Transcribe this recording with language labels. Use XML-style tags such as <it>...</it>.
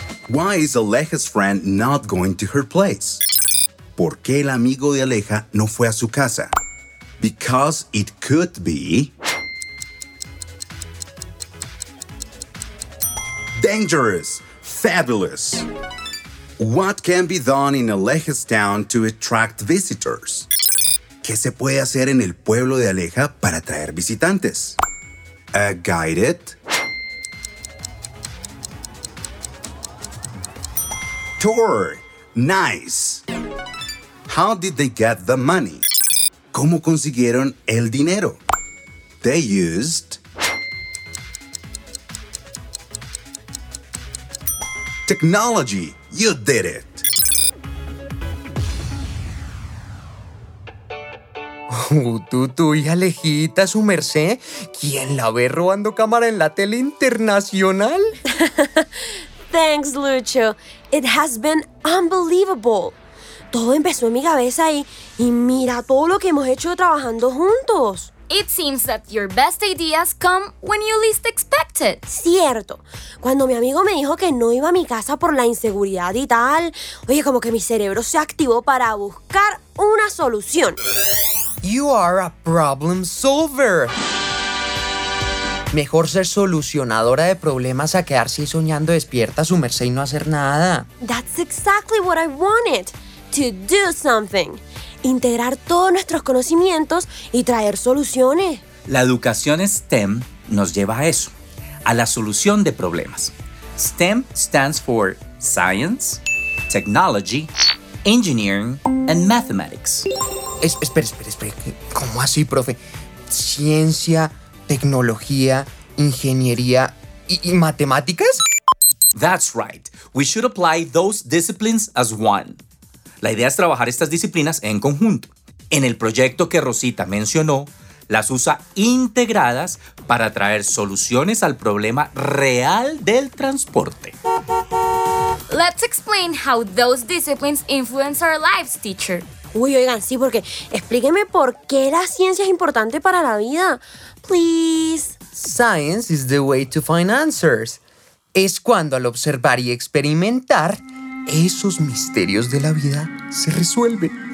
<en>Why is Aleja's friend not going to her place?</en> <es>¿Por qué el amigo de Aleja no fue a su casa?</es> <en>Because it could be... Dangerous! Fabulous! What can be done in Aleja's town to attract visitors?</en> <es>¿Qué se puede hacer en el pueblo de Aleja para atraer visitantes?</es> <en>A guided... Tour! Nice! How did they get the money?</en> <es>¿Cómo consiguieron el dinero?</es> <en>They used... Technology, you did it!</en> <es>Ututu y Alejita, su merced, ¿quién la ve robando cámara en la tele internacional?</es> <en>Thanks, Lucho. It has been unbelievable.</en> <es>Todo empezó en mi cabeza y mira todo lo que hemos hecho trabajando juntos.</es> <en>It seems that your best ideas come when you least expect it.</en> <es>Cierto. Cuando mi amigo me dijo que no iba a mi casa por la inseguridad y tal, oye, como que mi cerebro se activó para buscar una solución.</es> <en>You are a problem solver.</en> <es>Mejor ser solucionadora de problemas a quedarse soñando despierta a su merced y no hacer nada.</es> <en>That's exactly what I wanted. To do something.</en> <es>Integrar todos nuestros conocimientos y traer soluciones. La educación STEM nos lleva a eso, a la solución de problemas.</es> <en>STEM stands for Science, Technology, Engineering, and Mathematics.</en> <es>Espera. ¿Cómo así, profe? ¿Ciencia, tecnología, ingeniería y matemáticas?</es> <en>That's right. We should apply those disciplines as one.</en> <es>La idea es trabajar estas disciplinas en conjunto. En el proyecto que Rosita mencionó, las usa integradas para traer soluciones al problema real del transporte.</es> <en>Let's explain how those disciplines influence our lives, teacher.</en> <es>Uy, oigan, sí, porque explíqueme por qué la ciencia es importante para la vida.</es> <en>Please. Science is the way to find answers.</en> <es>Es cuando al observar y experimentar, esos misterios de la vida se resuelven.</es>